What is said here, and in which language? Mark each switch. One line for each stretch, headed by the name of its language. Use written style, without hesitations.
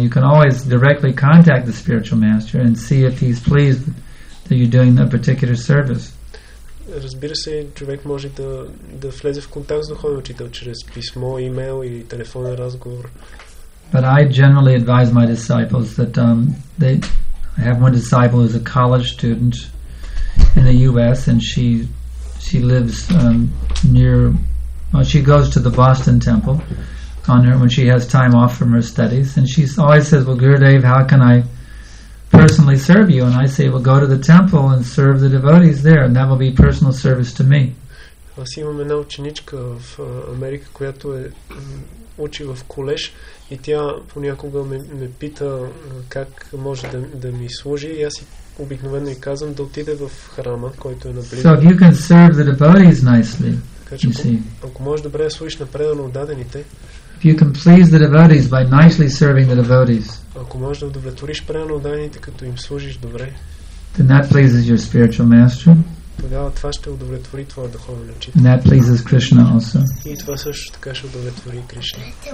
English: You can always directly contact the spiritual master and see if he's pleased that you're doing that particular service.
Bulgarian: Разбира се, човек може да влезе в контакт с духовен учител чрез писмо, имейл и телефонен разговор.
English: But I generally advise my disciples that I have one disciple who's a college student in the U.S. and she lives near. Well, she goes to the Boston Temple on her when she has time off from her studies, and she always says, "Well, Gurudev, how can I personally serve you?" And I say, "Well, go to the temple and serve the devotees there, and that will be personal service to me."
Bulgarian: Аз имам една ученичка в Америка, която учи в колеж, и тя понякога ме пита как може да ми служи, и аз обикновено ѝ казвам да отиде в храма, който е наблизо.
English: So if you can serve the devotees nicely.
Bulgarian: Ако можеш добре да служиш на предано отдадените.
English: If you can please the devotees by nicely serving the devotees.
Bulgarian: Ако можеш да удовлетвориш предано отдадените, като им служиш добре.
English: Then that pleases your spiritual master.
Bulgarian: Тогава това ще удовлетвори твоя духовен учител.
English: And that pleases Krishna also.
Bulgarian: И това също така ще удовлетвори Кришна.